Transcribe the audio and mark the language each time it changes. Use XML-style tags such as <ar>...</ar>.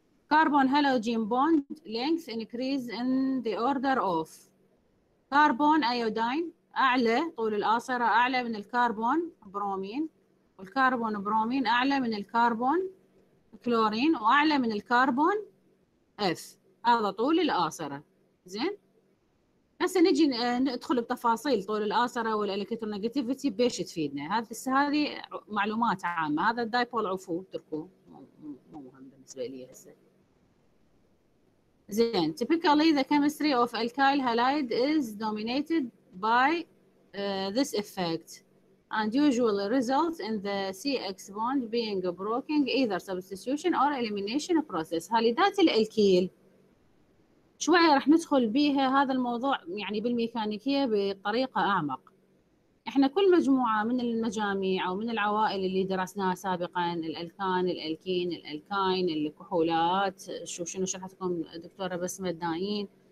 <en>carbon halogen bond length increase in the order of carbon iodine</en> <ar>اعلى، طول الاصرة اعلى من الكربون برومين، والكربون برومين اعلى من الكربون كلورين، واعلى من الكربون اف. هذا طول الاصرة. زين هسه نجي ندخل بتفاصيل طول الاصره والالكترونيجاتيفيتي بيش تفيدنا. هذه معلومات عامه، هذا الدايبول عفوه اتركوه، مو مهم بالنسبه لي هسه.</ar> <en>زين typically the chemistry of alkyl halide is dominated by this effect and usually results in the CX bond being broken either substitution or elimination process.</en> <ar>هاليدات الالكيل شوية رح ندخل بيها هذا الموضوع يعني بالميكانيكية بطريقة أعمق. إحنا كل مجموعة من المجاميع أو من العوائل اللي درسناها سابقاً، الألكان، الألكين، الألكاين، الكحولات، شنو شرحتكم دكتورة بسمة الدايين،</ar>